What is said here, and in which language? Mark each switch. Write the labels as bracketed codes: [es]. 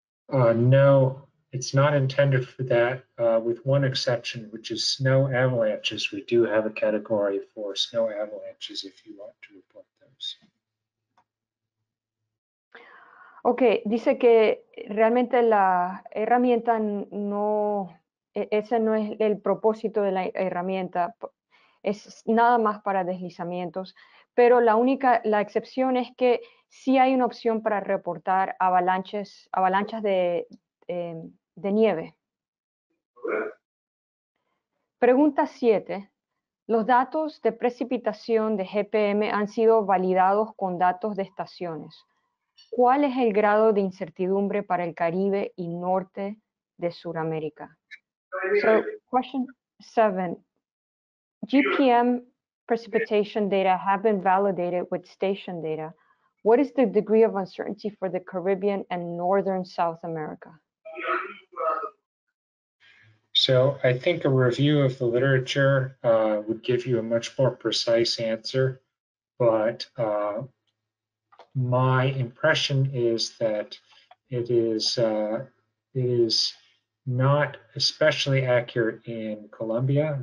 [en] No, it's not intended for that, with one exception, which is snow avalanches. We do have a category for snow avalanches if you want to report those. [es] Okay, dice que realmente la herramienta no, ese no es el propósito de la herramienta, es nada más para deslizamientos, pero la única, la excepción es que sí hay una opción para reportar avalanchas de nieve. Pregunta 7. ¿Los datos de precipitación de GPM han sido validados con datos de estaciones? ¿Cuál es el grado de incertidumbre para el Caribe y norte de Sudamérica? [en] So, question 7. GPM precipitation data have been validated with station data. What is the degree of uncertainty for the Caribbean and northern South America? So I think a review of the literature would give you a much more precise answer, but my impression is that it is not especially accurate in Colombia.